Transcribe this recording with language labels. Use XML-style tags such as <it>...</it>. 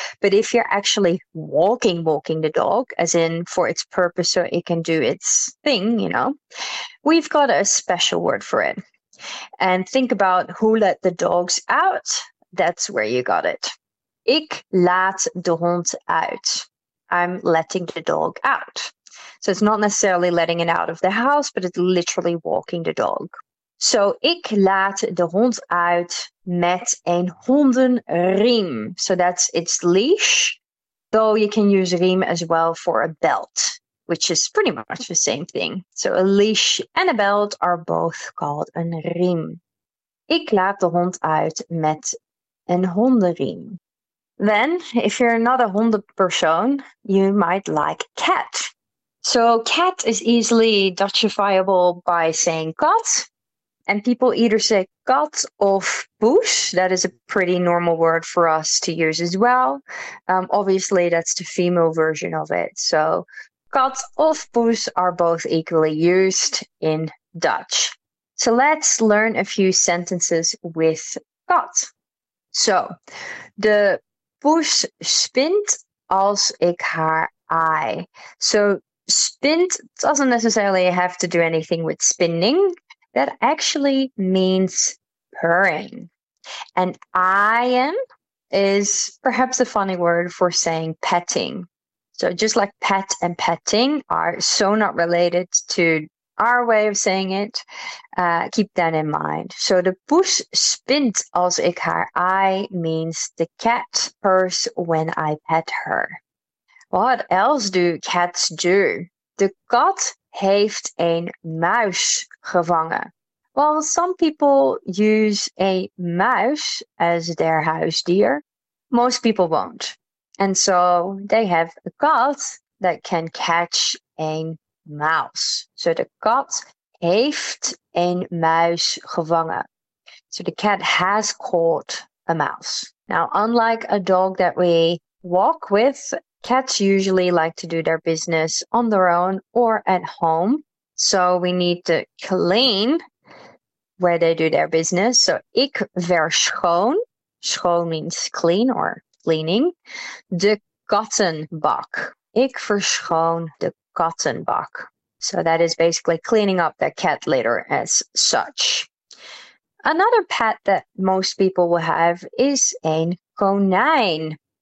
<en>But if you're actually walking the dog, as in for its purpose so it can do its thing, you know, we've got a special word for it. And think about who let the dogs out. That's where you got it.</en> <nl>Ik laat de hond uit.</nl> <en>I'm letting the dog out. So it's not necessarily letting it out of the house, but it's literally walking the dog.</en> <nl>So, ik laat de hond uit met een hondenriem.</nl> <en>So, that's its leash. Though you can use riem as well for a belt, which is pretty much the same thing. So, a leash and a belt are both called a riem.</en> <nl>Ik laat de hond uit met een hondenriem.</nl> <en>Then, if you're not a hondenpersoon, you might like cat. So, cat is easily Dutchifiable by saying kat. And people either say kat of poes. That is a pretty normal word for us to use as well. Obviously, that's the female version of it. So kat of poes are both equally used in Dutch. So let's learn a few sentences with kat.</en> <nl>So, de poes spint als ik haar ei.</nl> <en>So spint doesn't necessarily have to do anything with spinning. That actually means purring. And aaien is perhaps a funny word for saying petting. So just like pet and petting are so not related to our way of saying it. Keep that in mind. So</en> <nl>de poes spint als ik haar aai</nl> <en>means the cat purrs when I pet her. What else do cats do?</en> <nl>De kat heeft een muis gevangen.</nl> <en>Well, some people use a mouse as their huisdier. Most people won't. And so they have a cat that can catch een mouse. So the cat</en> <nl>heeft een muis gevangen.</nl> <en>So the cat has caught a mouse. Now, unlike a dog that we walk with, cats usually like to do their business on their own or at home. So we need to clean where they do their business. So</en> <nl>ik verschoon.</nl> <en>Schoon means clean or cleaning.</en> <nl>De kattenbak. Ik verschoon de kattenbak.</nl> <en>So that is basically cleaning up their cat litter as such. Another pet that most people will have is een konijn.</en>